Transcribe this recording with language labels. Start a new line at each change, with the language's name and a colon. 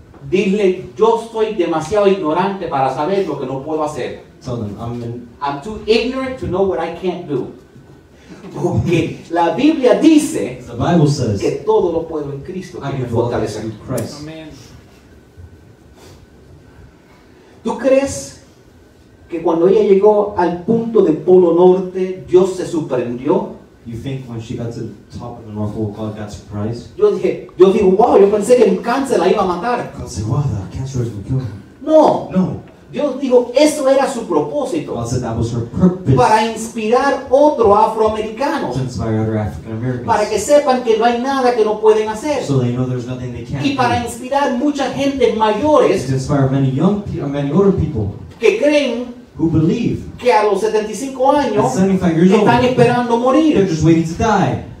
Spanish: Dile, yo soy demasiado ignorante para saber lo que no puedo hacer.
English: Tell them, I'm too ignorant to know what I can't do.
Spanish: Porque la Biblia dice
English: the Bible says,
Spanish: que todo lo puedo en Cristo que me fortalece.
English: Amen.
Spanish: ¿Tú crees que cuando ella llegó al punto del Polo Norte, Dios se sorprendió?
English: You think when she got to the top of the North Pole, God got surprised?
Spanish: Yo dije, wow, yo pensé que el cáncer la iba a matar.
English: God said, wow, the cancer is going to kill her.
Spanish: No.
English: No.
Spanish: Dios dijo, eso era su propósito.
English: God said, that was her purpose.
Spanish: Para inspirar otro afroamericano.
English: To inspire other African Americans.
Spanish: Para que sepan que no hay nada que no pueden hacer.
English: So they know there's nothing they can't do.
Spanish: Y para inspirar mucha gente mayores.
English: To inspire many young people, many older people.
Spanish: Que creen.
English: Who believe
Spanish: que a los 75 años
English: 75 years
Spanish: están
English: old,
Spanish: esperando morir.
English: They're just waiting to die.